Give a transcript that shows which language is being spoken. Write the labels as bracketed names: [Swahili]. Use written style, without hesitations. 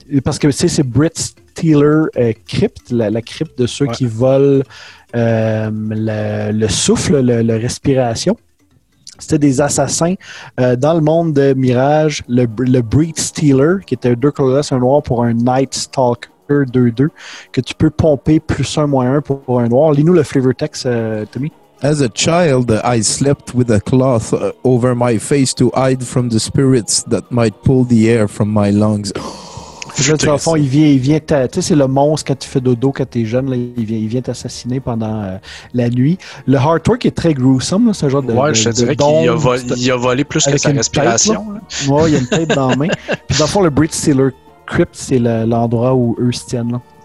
[French] Parce que c'est Brit Stiller Crypt, la crypte de ceux qui volent le souffle, la respiration. C'était des assassins dans le monde de Mirage, le Breed Stealer, qui était deux colorless, un noir pour un Night Stalker 2-2, que tu peux pomper +1/-1 pour un noir. Lis-nous le flavor text, Tommy. [English] As a child, I slept with a cloth over my face to hide from the spirits that might pull the air from my lungs. [French] Juste au fond, il vient tu sais, c'est le monstre quand tu fais dodo, quand t'es jeune, là, il vient t'assassiner pendant la nuit. Le artwork est très gruesome, là, ce genre de ouais, je te dirais qu'il a volé plus que sa respiration. Tête, ouais, il a une tête dans la main. Puis dans le fond, le Breach Sealer Crypt, c'est l'endroit où eux se tiennent, là.